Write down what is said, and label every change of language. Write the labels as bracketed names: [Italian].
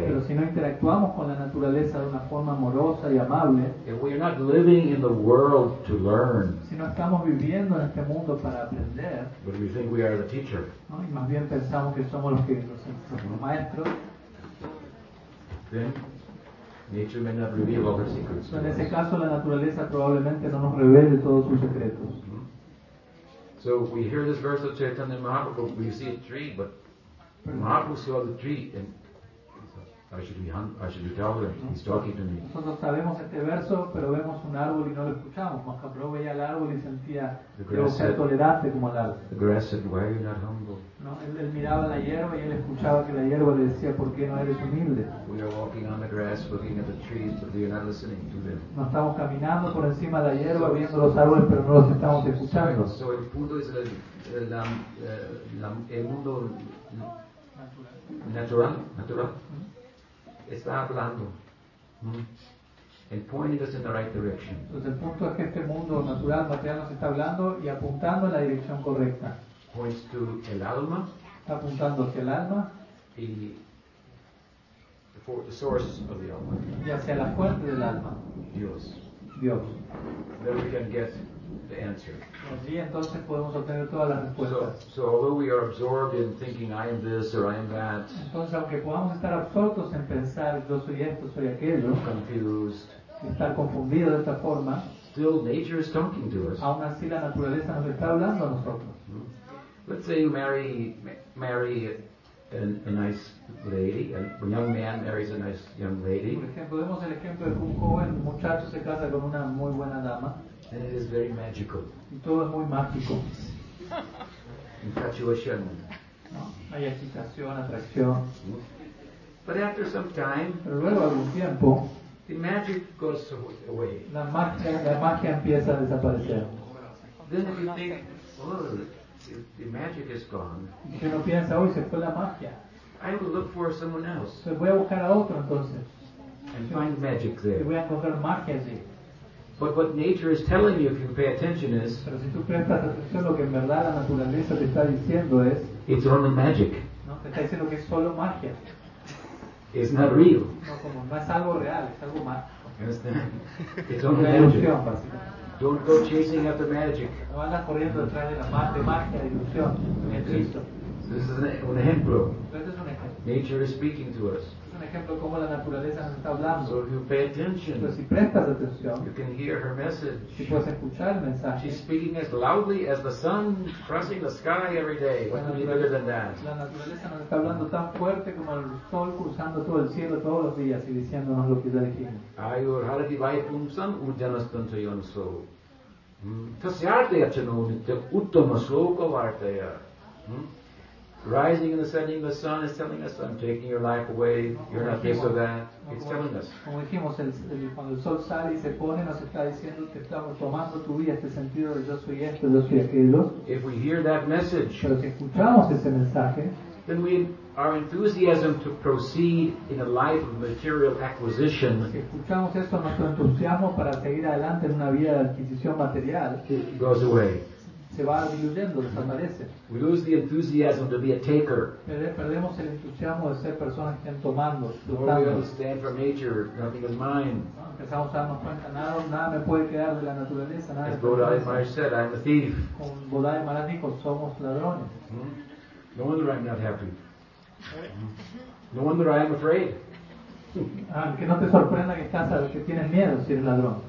[Spanish] Pero si no interactuamos con la naturaleza de una forma amorosa y amable. [English] If we are not living in the world to learn. [Spanish] Si no estamos viviendo en este mundo para aprender. [English] But we think we are the teacher. [Spanish] No, y más bien pensamos que somos los maestros. [English] Then nature may not reveal all her secrets. [Spanish] En ese caso la naturaleza probablemente no nos revele todos sus secretos. [English] So we hear this verse of Chaitanya Mahaprabhu, we see a tree, but Mahaprabhu saw the tree and I should be tolerant. He's talking to me. [Spanish] Nosotros sabemos este verso, pero vemos un árbol y no lo escuchamos. Mahaprabhu veía el árbol y sentía que debo ser tolerante como el árbol. [English] The grass said, why are you not humble? [Spanish] No, él miraba la hierba y él escuchaba que la hierba le decía, ¿por qué no eres humilde? [English] We are walking on the grass, looking at the trees, but you're not listening to them. [Spanish] No estamos caminando por encima de la hierba viendo los árboles, pero no los estamos escuchando. So el punto es el mundo natural. Está hablando. [English] And pointing us in the right direction. [Spanish] Entonces el punto es que este mundo natural, material nos está hablando y apuntando en la dirección correcta. [English] Points to [Spanish] el alma. Está apuntando hacia el alma. [English] Y the source of the alma. [Spanish] Y hacia la fuente del alma. Dios. Dios. [English] Then we can get the answer. [Spanish] Así entonces podemos obtener todas las respuestas. [English] So although we are absorbed in thinking I am this or I am that, [Spanish] entonces aunque podamos estar absortos en pensar yo soy esto, soy aquello, [English] confused, [Spanish] estar confundido de esta forma, [English] still nature is talking to us. [Spanish] Aún así la naturaleza nos está hablando a nosotros. [English] Let's say you marry a nice lady, a young man marries a nice young lady. [Spanish] Por ejemplo, vemos el ejemplo de un joven muchacho se casa con una muy buena dama. [English] And it is very magical. [Spanish] Y todo es muy mágico. [English] Infatuation. [Spanish] No, hay excitación, atracción. [English] But after some time, [Spanish] pero luego algún tiempo, [English] the magic goes away. [Spanish] La magia empieza a desaparecer. [English] Then if you think, the magic is gone. [Spanish] Y uno piensa, uy, se fue la magia. [English] I will look for someone else. [Spanish] Se voy a buscar a otro entonces. [English] And find magic there. [Spanish] Y voy a encontrar magia allí. [English] But what nature is telling you, if you pay attention, is. [Spanish] Pero si tú prestas atención, lo que en verdad la naturaleza te está diciendo es. [English] It's only magic. [Spanish] No, te está diciendo que es solo magia. [English] It's not real. [Spanish] No, como no es algo real, es algo mágico. [English] It's only magic. [Spanish] Ilusión, [English] don't go chasing after magic. [Spanish] No andas corriendo detrás de la magia, de ilusión, de Cristo. [English] This is an ejemplo. [Spanish] Es un ejemplo. [English] Nature is speaking to us. [Spanish] Es un ejemplo cómo la naturaleza nos está hablando. [English] So if you pay attention, [Spanish] pero si prestas atención, [English] you can hear her message. [Spanish] Si puedes escuchar el mensaje. [English] She's speaking as loudly as the sun crossing the sky every day. What could be better than that? [Spanish] La naturaleza nos está hablando tan fuerte como el sol cruzando todo el cielo todos los días y diciéndonos lo que está diciendo. [Sanskrit] Ayur harati vaipum sam urjanastanto yonso. Tasyarte yachano nitya uttama shloka vartaya. [English] Rising and ascending the sun is telling us, I'm taking your life away, you're not this or that. It's telling us. [Spanish] Como dijimos, cuando el sol sale y se pone, nos está diciendo que estamos tomando tu vida, este sentido de yo soy esto, yo soy aquello. [English] If we hear that message, [Spanish] pero si escuchamos ese mensaje, [English] then we, our enthusiasm to proceed in a life of material acquisition, [Spanish] si escuchamos esto, nuestro entusiasmo para seguir adelante en una vida de adquisición material, [English] goes away. [Spanish] Se va diluyendo, desaparece. [English] We lose the enthusiasm to be a taker. [Spanish] Perdemos el entusiasmo de ser personas que están tomando. [English] The more we understand from nature, nothing is mine. [Spanish] Empezamos a darnos cuenta, nada me puede quedar de la naturaleza. Nada. [English] As Bodhi Maharaj said, I'm a thief. [Spanish] Como Bodhi Maharaj dijo, somos ladrones. [English] No wonder I'm not happy. No wonder I am afraid. [Spanish] Que no te sorprenda que estás, que tienes miedo si eres ladrón.